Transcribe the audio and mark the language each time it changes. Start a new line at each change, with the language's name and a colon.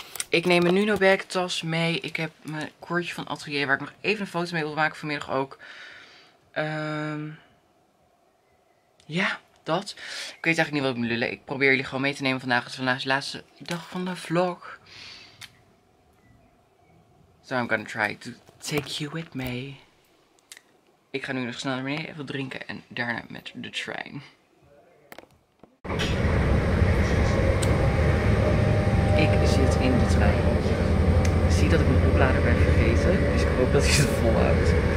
Dutch: Ik neem mijn Nuno Bag tas mee. Ik heb mijn koordje van Atelier waar ik nog even een foto mee wil maken vanmiddag ook. Ja. Dat. Ik weet eigenlijk niet wat ik moet lullen. Ik probeer jullie gewoon mee te nemen vandaag. Het is vandaag de laatste dag van de vlog.
English: So I'm gonna try to take you with me.
Dutch: Ik ga nu nog snel naar beneden even drinken. En daarna met de trein. Ik zit in de trein. Ik zie dat ik mijn oplader ben vergeten. Dus ik hoop dat hij het volhoudt.